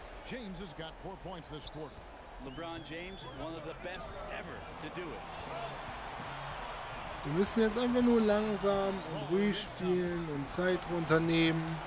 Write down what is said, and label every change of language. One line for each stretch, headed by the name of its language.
German: James hat 4 Punkte in diesem Quartal.
English: LeBron James, one of the best ever to do it.
German: Wir müssen jetzt einfach nur langsam und ruhig spielen und Zeit runternehmen.